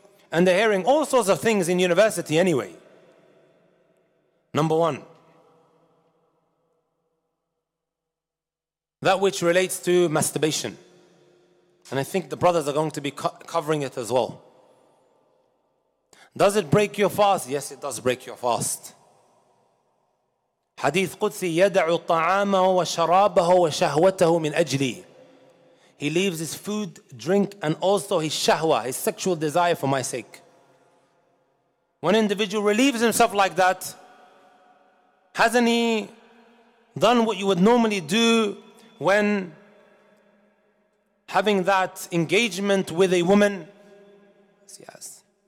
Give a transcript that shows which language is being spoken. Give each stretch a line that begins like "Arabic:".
English: And they're hearing all sorts of things in university anyway. Number one, that which relates to masturbation. And I think the brothers are going to be covering it as well. Does it break your fast? Yes, it does break your fast.
Arabic: Hadith Qudsi, يَدَعُ طَعَامَهُ وَشَرَابَهُ وَشَهْوَتَهُ مِنْ أَجْلِي.
English: He leaves his food, drink, and also his shahwa, his sexual desire for my sake. When an individual relieves himself like that, hasn't he done what you would normally do when having that engagement with a woman? Yes.